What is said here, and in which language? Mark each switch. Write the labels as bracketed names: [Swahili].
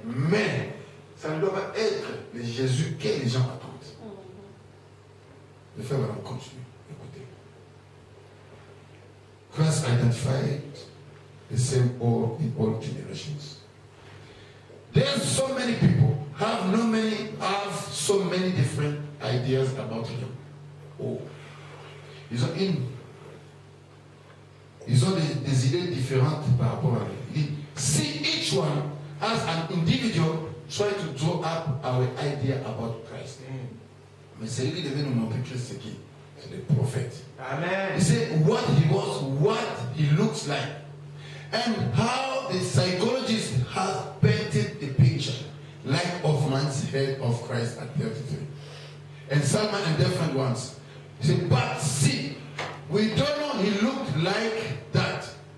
[French] Mais ça ne doit pas être le Jésus que les gens attendent. Le frère va continuer. Écoutez. [English] Christ identified the same all in all generations. There are so many people have so many different ideas about him. Oh. [French] Ils ont des idées différentes par rapport à lui. [English] See each one. As an individual, try to draw up our idea about Christ. [French] Mais c'est lui qui devait nous montrer Christ, c'est qui? C'est le prophète. Amen. [English] He said what he was, what he looks like, and how the psychologist has painted the picture, like of man's head of Christ at 33. And Salman and different ones. He said, but see, we don't know he looked like that.